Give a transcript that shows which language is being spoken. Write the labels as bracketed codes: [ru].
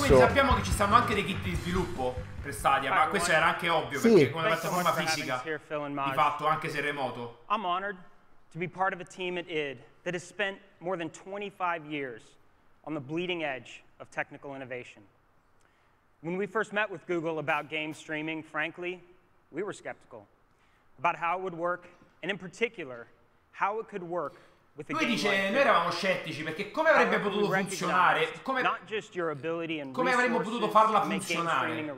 [it] Quindi sappiamo che ci stanno anche dei kit di sviluppo per Stadia, ma questo era anche ovvio, sì. perché come piattaforma fisica, di fatto, anche se remoto. [en] I'm honored to be part of a team at id that has spent more than 25 years on the bleeding edge of technical innovation. When we first met with Google about game streaming, frankly, we were skeptical about how it would work, and in particular, how it could work with a [it] Lui dice, [en] like [it] noi eravamo scettici, perché come avrebbe potuto funzionare, come avremmo potuto farla funzionare?